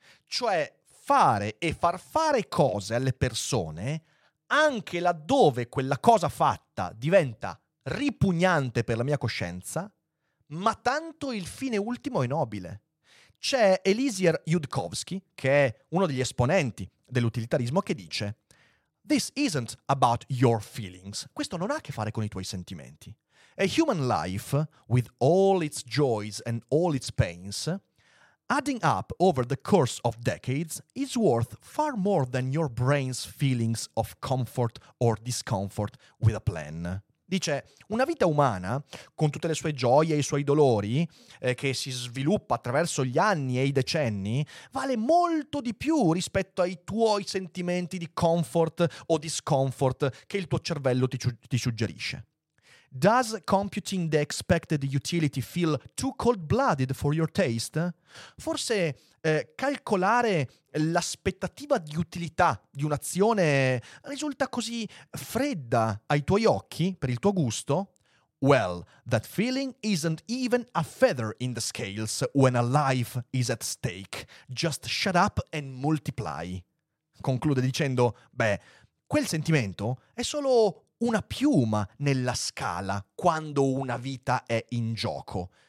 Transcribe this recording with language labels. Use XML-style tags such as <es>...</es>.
<it>Cioè fare e far fare cose alle persone anche laddove quella cosa fatta diventa ripugnante per la mia coscienza, ma tanto il fine ultimo è nobile. c'è Eliezer Yudkowsky, che è uno degli esponenti dell'utilitarismo, che dice:</it> <en>"This isn't about your feelings."</en> <it>Questo non ha a che fare con i tuoi sentimenti.</it> <en>"A human life, with all its joys and all its pains, adding up over the course of decades, is worth far more than your brain's feelings of comfort or discomfort with a plan."</en> <it>Dice, una vita umana, con tutte le sue gioie e i suoi dolori, che si sviluppa attraverso gli anni e i decenni, vale molto di più rispetto ai tuoi sentimenti di comfort o discomfort che il tuo cervello ti suggerisce.</it> <en>"Does computing the expected utility feel too cold-blooded for your taste?"</en> <it>Forse calcolare l'aspettativa di utilità di un'azione risulta così fredda ai tuoi occhi, per il tuo gusto?</it> <en>"Well, that feeling isn't even a feather in the scales when a life is at stake. Just shut up and multiply."</en> <it>Conclude dicendo, beh, quel sentimento è solo una piuma nella scala quando una vita è in gioco.</it>